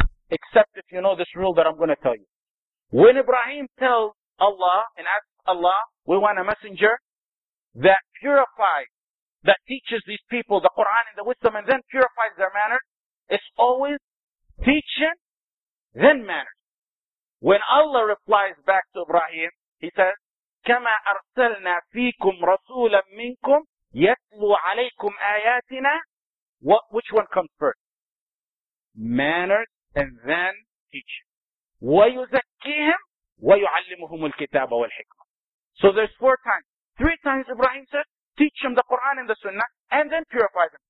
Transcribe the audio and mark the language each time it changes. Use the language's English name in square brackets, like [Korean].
[English] Except if you know this rule that I'm going to tell you. When Ibrahim tells Allah and asks Allah, we want a messenger that purifies, that teaches these people the Quran and the wisdom and then purifies their manners, it's always teaching, then manners. When Allah replies back to Ibrahim, he says, [Arabic] كَمَا أَرْسَلْنَا فِيكُمْ رَسُولًا مِّنْكُمْ يَتْلُوا عَلَيْكُمْ آيَاتِنَا. [English] What, which one comes first? Manners and then teaching. [Arabic] وَيُزَكِّيهِمْ وَيُعَلِّمُهُمُ الْكِتَابَ وَالْحِكْمَةِ. [English] So there's 4 times. 3 times Ibrahim says, teach them the Quran and the Sunnah, and then purify them.